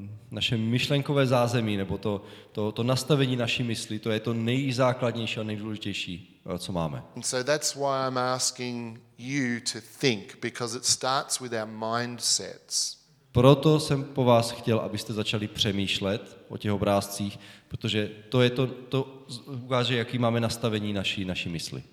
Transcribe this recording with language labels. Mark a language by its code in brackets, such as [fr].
[cs] Naše myšlenkové zázemí nebo to nastavení naší mysli, to je to nejzákladnější a nejdůležitější, co máme. [en] And so that's why I'm asking you to think, because it starts with our mindsets. [cs] Proto jsem po vás chtěl, abyste začali přemýšlet o těch obrázcích, protože to je to ukáže, jaký máme nastavení naší mysli.